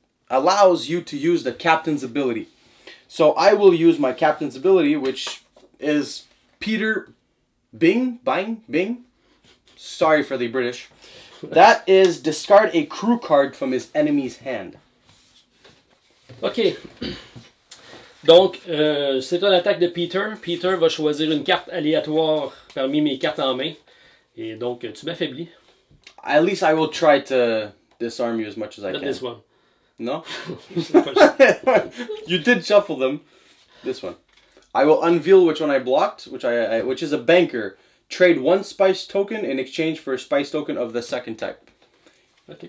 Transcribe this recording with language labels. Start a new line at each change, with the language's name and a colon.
English: Allows you to use the captain's ability. So, I will use my captain's ability, which is Peter... Bing? Sorry for the British. That is discard a crew card from his enemy's hand. OK.
French: Donc, c'est une attaque de Peter. Peter va choisir une carte aléatoire parmi mes cartes en main. Et donc, tu m'affaiblis.
English: At least I will try to disarm you as much as I Not can. Not this one. No? You did shuffle them. This one. I will unveil which one I blocked, which is a banker. Trade 1 spice token in exchange for a spice token of the second type. Okay.